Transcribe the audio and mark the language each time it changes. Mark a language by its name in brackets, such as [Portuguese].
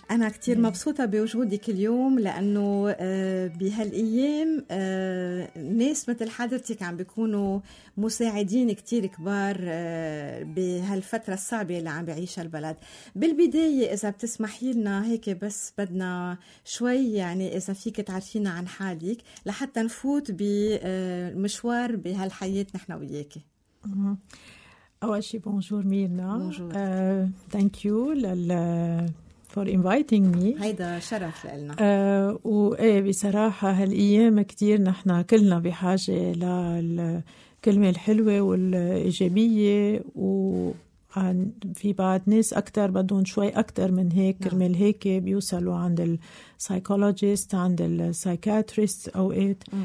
[Arabic] أنا كتير مبسوطة بوجودك اليوم، لأنه بهالأيام ناس مثل حضرتك عم بيكونوا مساعدين كتير كبار بهالفترة الصعبة اللي عم بيعيشها البلد. بالبداية إذا بتسمحي لنا هيك، بس بدنا شوي يعني إذا فيك تعرفينا عن حالك لحتى نفوت بمشوار بهالحياة نحن وياك. أول شيء بونجور ميرنا. بونجور. [English] Thank you for inviting me. [Arabic] هيدا شرف لنا. وإيه بصراحة هالأيام كتير نحنا كلنا بحاجة للكلمة الحلوة والإيجابية، وعن في بعض ناس أكتر بدون شوي أكتر من هيك كرمال هيك بيوصلوا عند السايكولوجيست عند السايكاتريست أوقات.